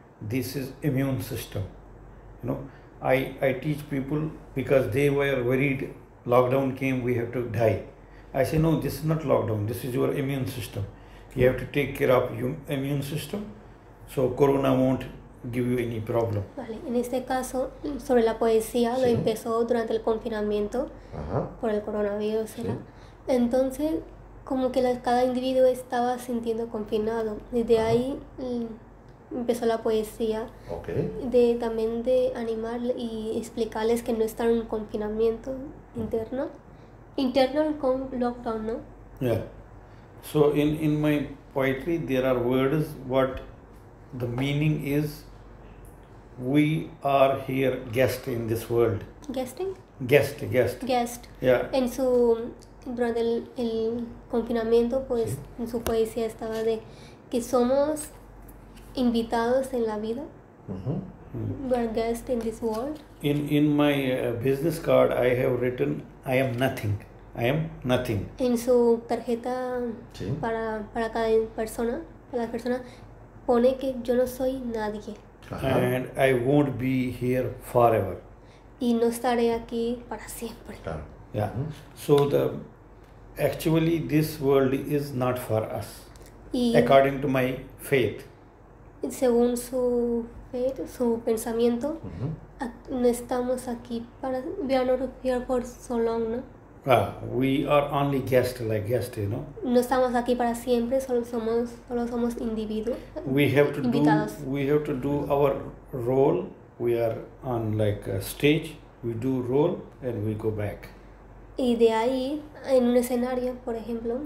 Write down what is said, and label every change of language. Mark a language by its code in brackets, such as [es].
[en] This is immune system. You know, I teach people because they were worried. Lockdown came, we have to die. I say no. This is not lockdown. This is your immune system. You have to take care of your immune system, so corona won't give you any problem. [es] Vale, en este caso, sobre la poesía, lo Sí. empezó durante el confinamiento por el coronavirus, ¿será? Sí. Entonces, como que cada individuo estaba sintiendo confinado. Desde ahí empezó la poesía [en] Okay. [es] de también de animar y explicarles que no están en confinamiento interno. Interno con lockdown, ¿no? [en] So in my poetry there are words what the meaning is we are here guest in this world. Guesting? Guest. Guest. Yeah. [es] En su durante el confinamiento, pues Sí. en su poesía estaba de que somos invitados en la vida. [en] We're guests in this world. In my business card I have written I am nothing. I am nothing. [es] En su tarjeta Sí. para cada persona, para la persona, pone que yo no soy nadie. [en] And I won't be here forever. [es] Y no estaré aquí para siempre. Claro. [en] Yeah. So the actually this world is not for us, [es] Y [en] according to my faith. [es] según su fe, su pensamiento, no estamos aquí para. [en] We are not here for so long, ¿no? We are only guests, like guests, you know. [es] No estamos aquí para siempre, solo somos individuos, invitados. [en] We have to do our role. We are on like a stage. We do role and we go back. [es] Y de ahí, en un escenario, por ejemplo,